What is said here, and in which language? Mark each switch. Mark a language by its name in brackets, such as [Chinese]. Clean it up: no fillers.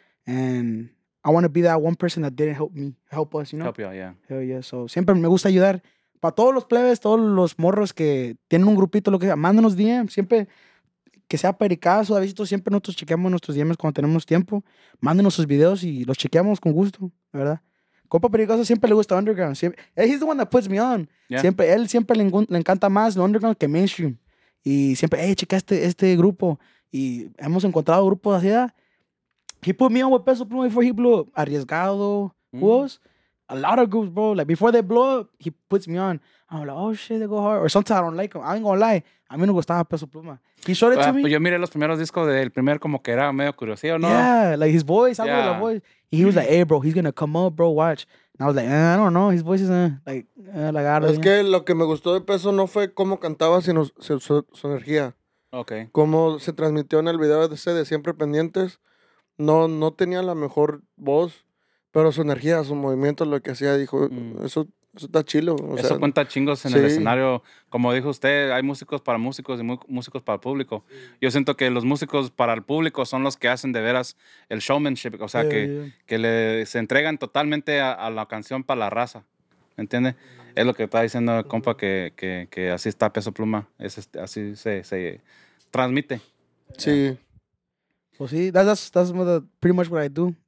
[English] And I want to be that one person that didn't help me. Help us, you know? Help you out, yeah. Hell yeah. [Spanish] So, siempre me gusta ayudar. Para todos los plebes, todos los morros que tienen un grupito, lo que sea, mándanos DM. Siempre que sea pericazo, Davidito, siempre nosotros chequeamos nuestros DMs cuando tenemos tiempo. Mándenos sus videos y los chequeamos con gusto, ¿verdad? Compa Pericazo siempre le gusta underground. Siempre, [English] he's the one that puts me on. Yeah. [Spanish] Siempre le encanta más lo underground que mainstream. Y siempre, hey, checa este grupo. Y hemos encontrado grupos así, ¿verdad? [English] He put me on with Peso Pluma before he blew up. Arriesgado. Who else? A lot of groups, bro. Like, before they blow up, he puts me on. I'm like, oh, shit, they go hard. Or sometimes I don't like them. I ain't gonna lie. [Spanish] A mí no gustaba Peso Pluma. [English] He showed it to me. [Spanish] Yo miré los primeros discos del primer como que era medio curioso, ¿no? [English] Yeah, like his voice. Yeah. I love the voice. And he was like, hey, bro, he's gonna come up, bro, watch. And I was like, I don't know, his voice is like [Spanish] es yeah. Que lo que me gustó de Peso no fue cómo cantaba, sino su energía. [English] Okay. [Spanish] Cómo se transmitió en el video ese de Siempre Pendientes. No tenía la mejor voz, Pero su energía, su movimiento, lo que hacía, dijo, eso está chilo. O sea, eso cuenta chingos en el escenario. Como dijo usted, hay músicos para músicos y músicos para el público. Yo siento que los músicos para el público son los que hacen de veras el showmanship. O sea, que le, se entregan totalmente a la canción para la raza. ¿Me entiende? Es lo que está diciendo el compa, que así está Peso Pluma. Es este, así se transmite. Sí. Pues sí, [English] that's pretty much what I do.